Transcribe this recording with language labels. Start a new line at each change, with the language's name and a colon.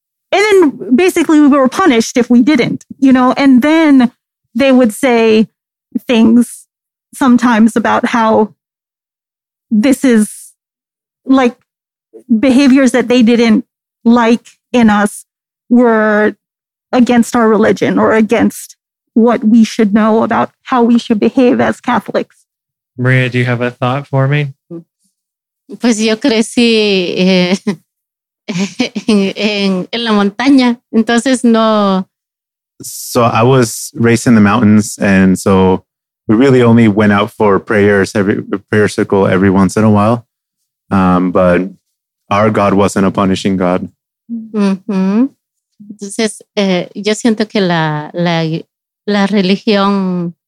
English: And then basically we were punished if we didn't, you know, and then they would say things sometimes about how this is like behaviors that they didn't like in us were against our religion or against what we should know about how we should behave as Catholics. Maria, do you have a thought for me?
Spanish: Pues yo crecí en la montaña, entonces no.
English: So I was raised in the mountains, and so we really only went out for prayers, prayer circle every once in a while. But our God wasn't a punishing God.
Spanish: Mm-hmm. Entonces, yo siento que la religión.